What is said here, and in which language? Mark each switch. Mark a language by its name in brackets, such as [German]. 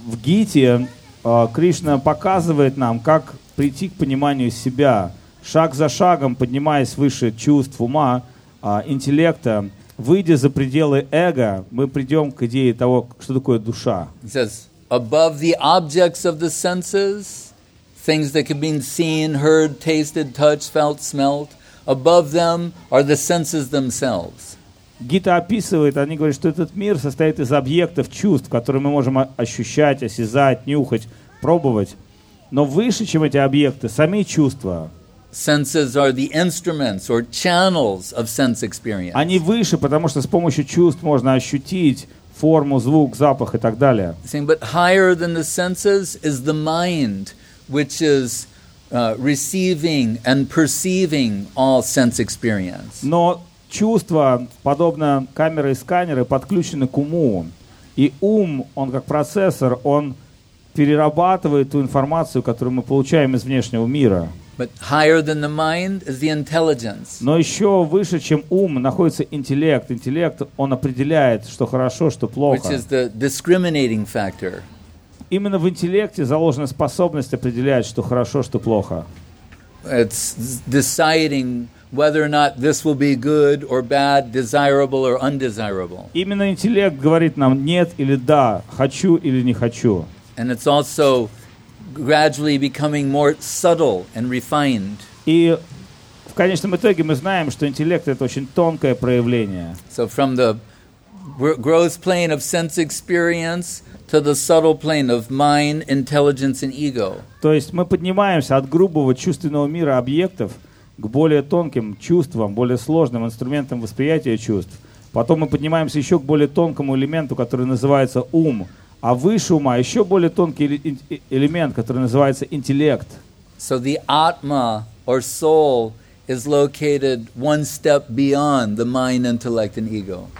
[Russian] В Гите Кришна показывает нам, как прийти к пониманию себя, шаг за шагом, поднимаясь выше чувств, ума, интеллекта, выйдя за пределы эго, мы придем к идее того, что такое душа. [English] He says, above the objects of the senses, things that can be seen, heard, tasted, touched, felt, smelt, above them are the senses themselves. [Russian] Гита описывает, они говорят, что этот мир состоит из объектов чувств, которые мы можем ощущать, осязать, нюхать, пробовать. Но выше, чем эти объекты, сами чувства. [English] Senses are the instruments or channels of sense experience. [Russian] Они выше, потому что с помощью чувств можно ощутить форму, звук, запах и так далее. [English] Saying, but higher than the senses is the mind, which is receiving and perceiving all sense experience. [Russian] Но чувства, подобно камеры и сканеры, подключены к уму. И ум, он как процессор, он перерабатывает ту информацию, которую мы получаем из внешнего мира. [English] But higher than the mind is the intelligence. [Russian] Но еще выше, чем ум, находится интеллект. Интеллект, он определяет, что хорошо, что плохо. [English] Which is the discriminating factor. [Russian] Именно в интеллекте заложена способность определять, что хорошо, что плохо. [English] It's deciding whether or not this will be good or bad, desirable or undesirable. [Russian] Именно интеллект говорит нам нет или да, хочу или не хочу. [English] And it's also gradually becoming more subtle and refined. [Russian] И в конечном итоге мы знаем, что интеллект это очень тонкое проявление. [English] So from the gross plane of sense experience to the subtle plane of mind, intelligence and ego. [Russian] То есть мы поднимаемся от грубого чувственного мира объектов к более тонким чувствам, более сложным инструментам восприятия чувств. Потом мы поднимаемся еще к более тонкому элементу, который называется ум. А выше ума еще более тонкий элемент, который называется интеллект. [English] So the Atma or soul is located one step beyond the mind, intellect and ego.